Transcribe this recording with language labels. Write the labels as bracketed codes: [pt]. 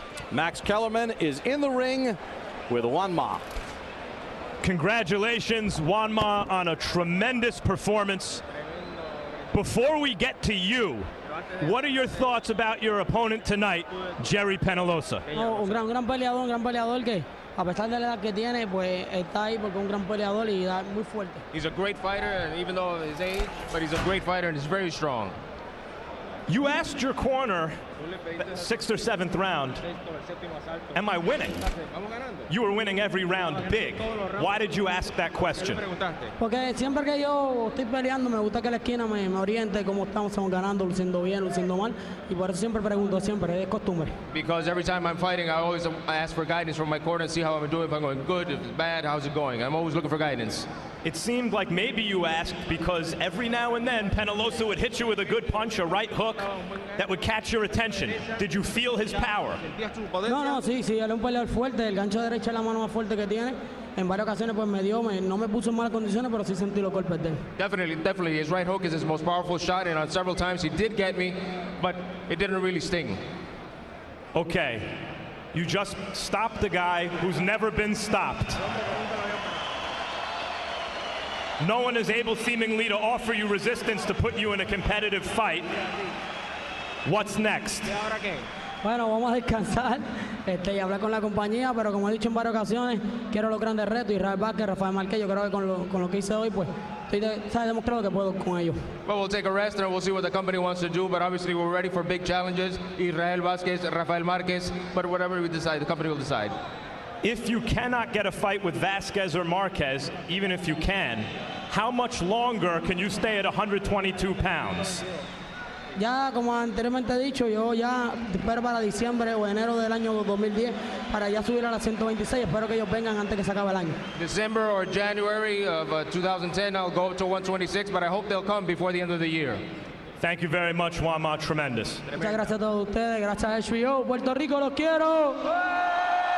[en] Max Kellerman is in the ring with Juan Ma. Congratulations, Juan Ma, on a tremendous performance. Before we get to you, what are your thoughts about your opponent tonight, Gerry Penalosa? [es] Un gran peleador que a pesar de la edad que tiene, pues está ahí porque un gran peleador y muy fuerte. [en] He's a great fighter, even though his age, but he's a great fighter and he's very strong. You asked your corner, 6th or 7th round, am I winning? You were winning every round big. Why did you ask that question? [es] Porque siempre que yo estoy peleando, me gusta que la esquina me oriente como estamos ganando, luciendo bien, luciendo mal, y por eso siempre pregunto, siempre, es costumbre. [en] Because every time I'm fighting, I always ask for guidance from my corner, see how I'm doing, if I'm going good, if it's bad, how's it going. I'm always looking for guidance. It seemed like maybe you asked because every now and then Penalosa would hit you with a good punch, a right hook that would catch your attention. Did you feel his power? [es] No, no, sí, sí, era un peleador fuerte, el gancho derecho es la mano más fuerte que tiene. En varias ocasiones pues me dio, no me puso en malas condiciones, pero sí sentí los golpes de él. [en] Definitely, definitely, his right hook is his most powerful shot, and on several times he did get me, but it didn't really sting. Okay, you just stopped the guy who's never been stopped. No one is able seemingly to offer you resistance to put you in a competitive fight. What's next? [es] Bueno, vamos a descansar y hablar con la compañía, pero como he dicho en varias ocasiones, quiero los grandes retos. Israel Vázquez, Rafael Marquez, yo creo que con lo que hice hoy, pues, estoy demostrando que puedo con ellos. [en] Well, we'll take a rest and we'll see what the company wants to do, but obviously we're ready for big challenges. Israel Vázquez, Rafael Marquez, but whatever we decide, the company will decide. If you cannot get a fight with Vasquez or Marquez, even if you can, how much longer can you stay at 122 pounds? [es] Ya, como anteriormente dicho, yo ya espero para diciembre o enero del año 2010 para ya subir a la 126. Espero que ellos vengan antes que se acabe el año. [en] December or January of 2010, I'll go up to 126, but I hope they'll come before the end of the year. Thank you very much, Juan Ma. Tremendous. [es] Muchas gracias a todos ustedes. Gracias a HBO. Puerto Rico, los quiero.